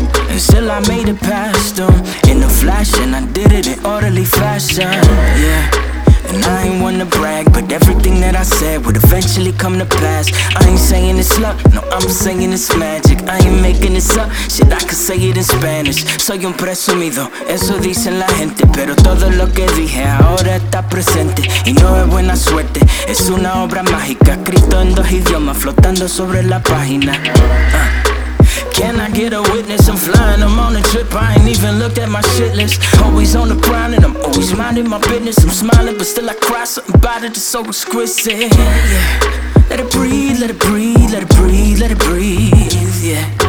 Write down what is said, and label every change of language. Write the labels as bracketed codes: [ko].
[en] And still I made it past them in a flash, and I did it in orderly fashion, yeah. And I ain't wanna brag, but everything that I said would eventually come to pass. I ain't saying it's luck, no, I'm saying it's magic. I ain't making this up, shit, I can say it in Spanish. [es] Soy un presumido, eso dicen la gente. Pero todo lo que dije ahora está presente. Y no es buena suerte, es una obra mágica. Escrito en dos idiomas, flotando sobre la página. [en] Can I get a witness? I'm flying, I'm on a trip, I ain't even looked at my shit list. Always on the grind and I'm always minding my business. I'm smiling but still I cry, something about it is so exquisite, yeah, yeah. Let it breathe, let it breathe, let it breathe, let it breathe, yeah.